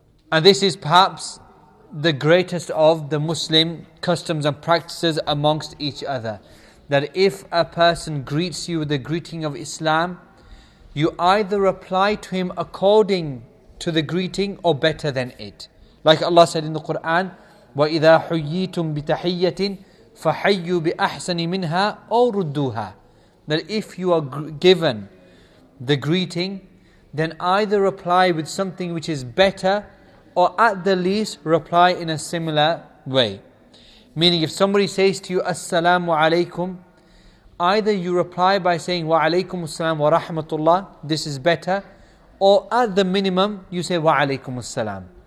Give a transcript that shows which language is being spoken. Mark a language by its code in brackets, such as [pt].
[en] And this is perhaps the greatest of the Muslim customs and practices amongst each other. That if a person greets you with the greeting of Islam, you either reply to him according to the greeting or better than it. Like Allah said in the Quran, [ar] وَإِذَا حُيِّيتُم بِتَحِيَّةٍ فَحَيُّوا بِأَحْسَنِ مِنْهَا أَوْ رُدُّوهَا. [en] That if you are given the greeting, then either reply with something which is better, or at the least reply in a similar way. Meaning if somebody says to you, [ar] As-salamu alaykum, [en] either you reply by saying [ar] wa alaykum assalam wa rahmatullah, [en] this is better, or at the minimum you say [ar] wa alaykum assalam.